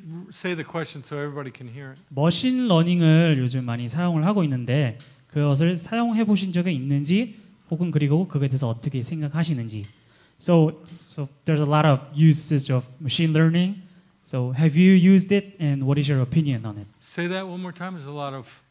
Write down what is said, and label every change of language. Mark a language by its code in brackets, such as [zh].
[en] say the question so everybody can hear it. [ko] 머신 러닝을 요즘 많이 사용을 하고 있는데 그것을 사용해 보신 적이 있는지 혹은 그리고 그거에 대해서 어떻게 생각하시는지. [en] So there's a lot of uses of machine learning. So have you used it and what is your opinion on it? Say that one more time. There's a lot of